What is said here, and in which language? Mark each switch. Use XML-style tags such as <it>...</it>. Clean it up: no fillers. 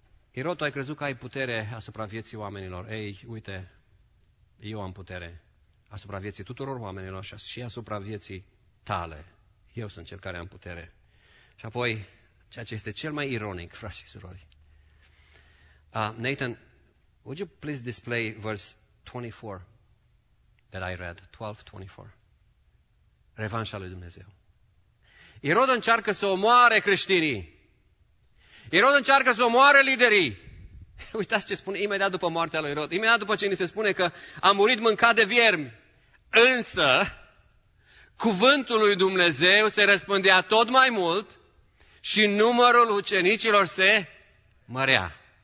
<ro>Irod, tu ai crezut că ai putere asupra vieții oamenilor. Ei, uite, eu am putere asupra vieții tuturor oamenilor și asupra vieții tale. Eu sunt cel care am putere. Și apoi, ceea ce este cel mai ironic, frați și surori.</ro> <en>Nathan, would you please display verse 24 that I read, 12:24.</en> <ro>Revanșa lui Dumnezeu. Irod încearcă să omoare creștinii. Irod încearcă să omoare liderii. Uitați ce spune imediat după moartea lui Irod, imediat după ce ni se spune că a murit mâncat de viermi. Însă, cuvântul lui Dumnezeu se răspândea tot mai mult și numărul ucenicilor se mărea.</ro>